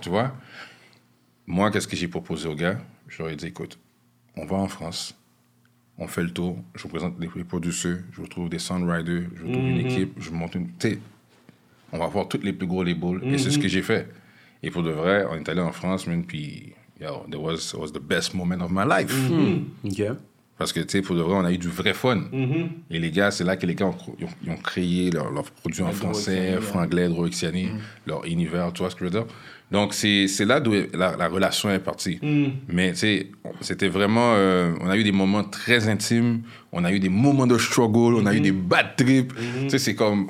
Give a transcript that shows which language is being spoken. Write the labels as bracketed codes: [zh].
[fr] Tu vois, moi, qu'est-ce que j'ai proposé au gars? J'aurais dit, écoute, on va en France, on fait le tour, je vous présente les producteurs, je vous trouve des songwriters, je vous trouve une équipe, je monte une... Tu sais, on va voir toutes les plus gros labels, et c'est ce que j'ai fait. Et pour de vrai, on est allé en France, même, puis... [en] Yo, that was the best moment of my life. [fr] Parce que, tu sais, pour de vrai, on a eu du vrai fun. Et les gars, c'est là que les gars ont créé leurs produits en français, franglais, Droxiani, leur univers, tu vois ce que je veux dire? Donc, c'est là d'où la relation est partie. Mais, tu sais, c'était vraiment... on a eu des moments très intimes, on a eu des moments de struggle, on a eu des bad trips. Tu sais, c'est comme...